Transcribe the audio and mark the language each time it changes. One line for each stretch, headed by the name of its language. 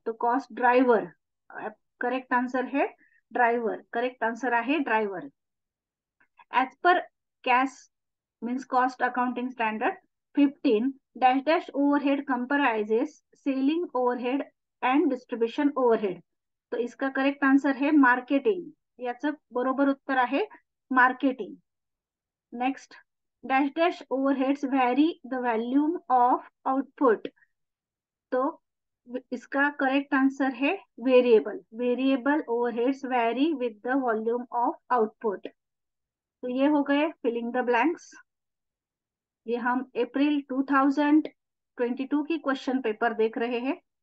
Hindi: तो cost driver, correct answer है driver,
Marathi: correct answer आहे driver.
English: As per CAS means cost accounting standard 15, dash dash overhead comprises selling overhead and distribution overhead.
Hindi: तो इसका correct answer है marketing,
Marathi: याचं बरोबर उत्तर आहे marketing.
English: Next, dash dash overheads vary the volume of output.
Hindi: तो इसका correct answer है variable,
English: Variable overheads vary with the volume of output.
Hindi: तो ये हो गए फिलिंग द ब्लैंक्स। ये हम अप्रैल 2022 की क्वेश्चन पेपर देख रहे हैं।